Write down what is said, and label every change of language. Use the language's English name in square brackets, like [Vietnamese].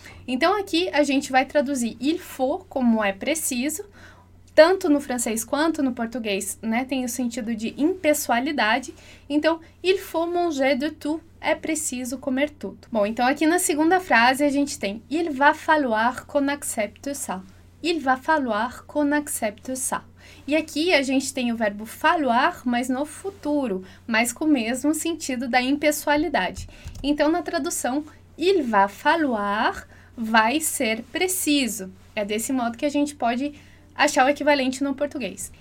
[Portuguese] Então aqui a gente vai traduzir [French] il faut [Portuguese] como é preciso, tanto no francês quanto no português, né? Tem o sentido de impessoalidade. Então, [French] il faut manger de tout, [Portuguese] é preciso comer tudo. Bom, então aqui na segunda frase a gente tem [French] il va falloir qu'on accepte ça. Il va falloir qu'on accepte ça. [Portuguese] E aqui a gente tem o verbo falloir, mas no futuro, mas com o mesmo sentido da impessoalidade. Então, na tradução, [French] il va falloir [Portuguese] vai ser preciso. É desse modo que a gente pode achar o equivalente no português.